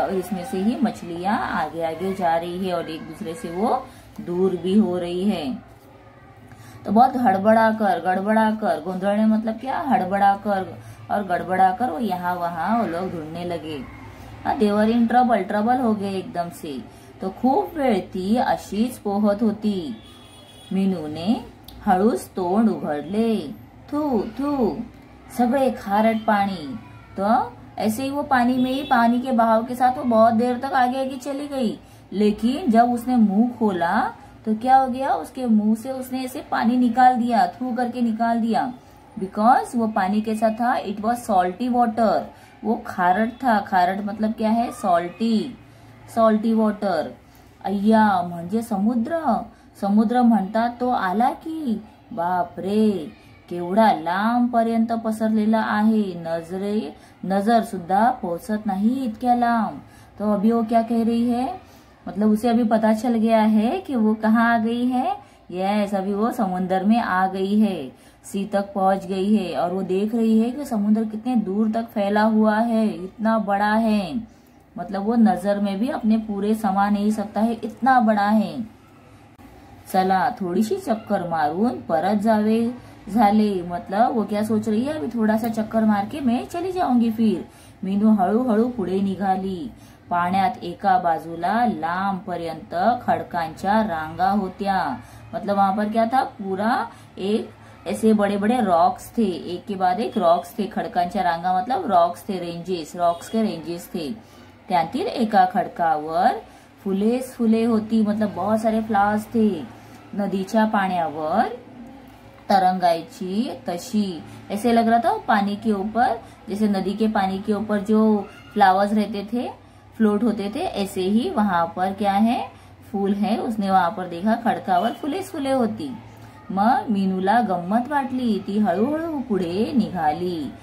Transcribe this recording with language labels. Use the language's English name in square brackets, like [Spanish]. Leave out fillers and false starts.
[Hindi] और इसमें से ही मछलियां आगे आगे जा रही है और एक दूसरे से वो दूर भी हो रही है। तो बहुत हड़बड़ाकर गड़बड़ाकर, गोंधड़ने मतलब क्या, हड़बड़ाकर और गड़बड़ाकर वो यहाँ वहां वो लोग ढूंढने लगे। [English] they were in trouble, [Hindi] ट्रबल हो गए एकदम से। [Marathi] तो खूब वेळ ती अशीच पोहत होती। मीनू ने हळूच तोंड उघडले। थू थू सगळे खारट पाणी। [Hindi] तो ऐसे ही वो पानी में ही पानी के बहाव के साथ वो बहुत देर तक आगे आगे चली गई, लेकिन जब उसने मुंह खोला तो क्या हो गया, उसके मुंह से उसने ऐसे पानी निकाल दिया, थू करके निकाल दिया। बिकॉज वो पानी कैसा था, [English] it was salty water, [Hindi] वो खारट था। खारट मतलब क्या है, सॉल्टी, सॉल्टी वाटर। [Marathi] अय्या म्हणजे समुद्र, समुद्र म्हणता तो आला की, बापरे केवड़ा लांब पर्यंत पसरलेला आहे, नजरे नजर सुद्धा पोहोचत नाही इतक्या लांब। [Hindi] तो अभी वो क्या कह रही है, मतलब उसे अभी पता चल गया है कि वो कहाँ आ गई है। यस, अभी वो समुन्द्र में आ गई है, सी तक पहुंच गई है, और वो देख रही है कि समुन्द्र कितने दूर तक फैला हुआ है, इतना बड़ा है, मतलब वो नजर में भी अपने पूरे समा नहीं सकता है, इतना बड़ा है। [Marathi] चला थोड़ी सी चक्कर मारून परत जावे झाले, [Hindi] मतलब वो क्या सोच रही है, अभी थोड़ा सा चक्कर मार के मैं चली जाऊंगी फिर। [Marathi] मीनू हळू हळू पुढे निघाली। पाण्यात एका बाजूला लांब पर्यंत खडकांच्या रांगा होत्या, [Hindi] मतलब वहां पर क्या था, पूरा एक ऐसे बड़े बड़े रॉक्स थे, एक के बाद एक रॉक्स थे, खडकांच्या रांगा मतलब रॉक्स थे, रेंजेस, रॉक्स के रेंजेस थे। [Marathi] त्यातील एका खडकावर फुलेच फुले होती, [Hindi] मतलब बहुत सारे फ्लावर्स थे। [Marathi] नदीच्या पाण्यावर तरंगायची तशी, [Hindi] ऐसे लग रहा था पानी के ऊपर, जैसे नदी के पानी के ऊपर जो फ्लावर्स रहते थे, फ्लोट होते थे, ऐसे ही वहां पर क्या है, फूल है। उसने वहां पर देखा [Marathi] खड़कावर फुलेच फुले होती। मग मीनूला गम्मत वाटली, ती हळूहळू पुढे निघाली।